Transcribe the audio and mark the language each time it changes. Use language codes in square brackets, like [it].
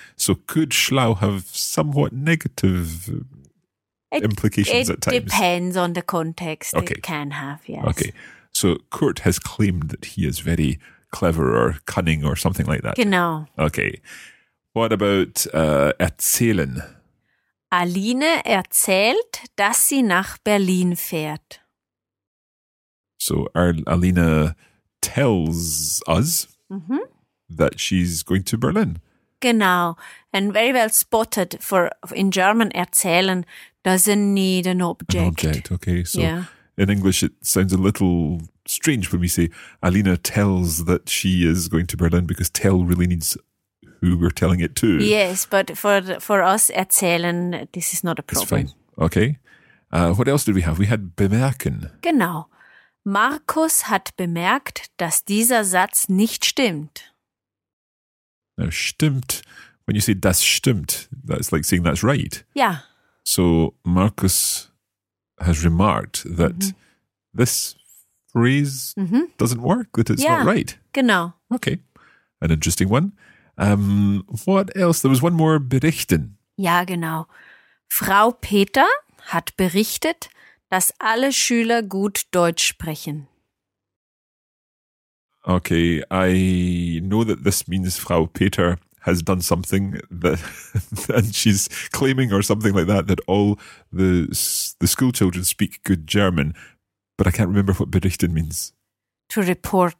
[en] So could schlau have somewhat negative implications at times? It depends on the context. Okay. It can have, yes. Okay. So Kurt has claimed that he is very clever or cunning or something like that. [de] Genau. [en] Okay. What about erzählen? [de] Aline erzählt, dass sie nach Berlin fährt. [en] So Alina tells us that she's going to Berlin. [de] Genau. [en] And very well spotted for, in German, erzählen doesn't need an object. An object, okay. So in English it sounds a little strange when we say Alina tells that she is going to Berlin because tell really needs who we're telling it to. Yes, but for us erzählen, this is not a problem. It's fine. Okay. What else did we have? We had bemerken. [de] Genau. Markus hat bemerkt, dass dieser Satz nicht stimmt. [en] Now, stimmt, when you say [de] das stimmt, [en] that's like saying that's right. Yeah. So Markus has remarked that this phrase doesn't work, that it's not right. [de] Genau. [en] Okay, an interesting one. What else? There was one more, berichten. [de] Ja, genau. Frau Peter hat berichtet, dass alle Schüler gut Deutsch sprechen. [en] Okay, I know that this means Frau Peter has done something that, and she's claiming or something like that, that all the school children speak good German, but I can't remember what berichten means. To report.